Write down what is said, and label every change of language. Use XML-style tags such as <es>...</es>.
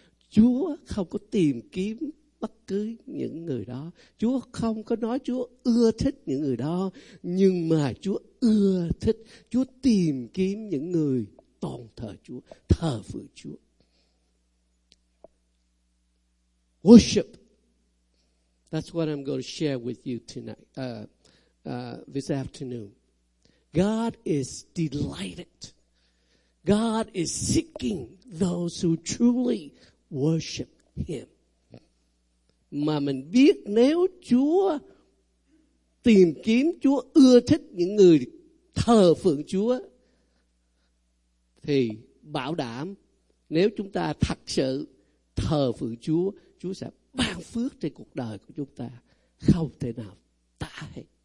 <vi>Chúa không có tìm kiếm bất cứ những người đó. Chúa không có nói Chúa ưa thích những người đó. Nhưng mà Chúa ưa thích, Chúa tìm kiếm những người tôn thờ Chúa, thờ phượng Chúa.</vi> <en>Worship. That's what I'm going to share with you tonight, this afternoon. God is delighted. God is seeking those who truly worship Him.</en> <vi>Mà mình biết nếu Chúa tìm kiếm, Chúa ưa thích những người thờ phượng Chúa, thì bảo đảm nếu chúng ta thật sự thờ phượng Chúa, Chúa sẽ ban phước trên cuộc đời của chúng ta không thể nào tả hết.</vi>